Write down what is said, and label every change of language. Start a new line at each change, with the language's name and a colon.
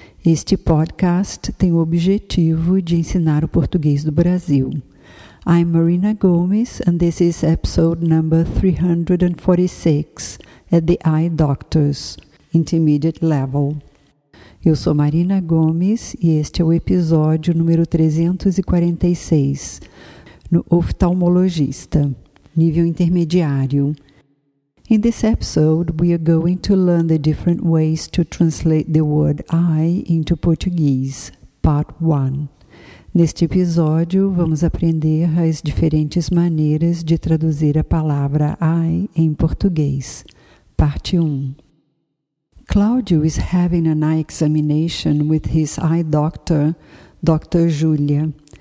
Portuguese: Este podcast tem o objetivo de ensinar o português do Brasil.
English: I'm Marina Gomes, and this is episode number 346 at the Eye Doctors, Intermediate Level.
Portuguese: Eu sou Marina Gomes e este é o episódio número 346, no oftalmologista, nível intermediário.
English: In this episode, we are going to learn the different ways to translate the word eye into Portuguese, part 1.
Portuguese: Neste episódio, vamos aprender as diferentes maneiras de traduzir a palavra eye em português, parte 1.
English: Cláudio is having an eye examination with his eye doctor, Dr. Julia.